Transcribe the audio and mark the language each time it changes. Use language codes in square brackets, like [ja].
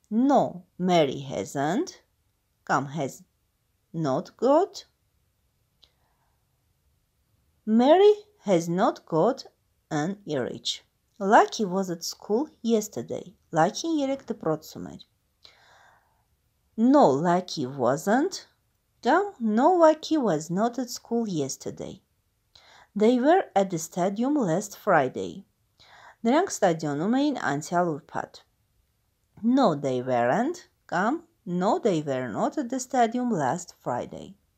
[en] No, Mary hasn't. Կամ has not got. Mary has not got an earache. Lucky was at school yesterday. [hy] Lucky-ն երեկ դպրոցում էր. [en] No, Lucky wasn't. Կամ no, Lucky was not at school yesterday. They were at the stadium last Friday. [hy] Նրանք ստադիոնում էին անցյալ ուրբաթ. [en] No, they weren't. Կամ no, they were not at the stadium last Friday.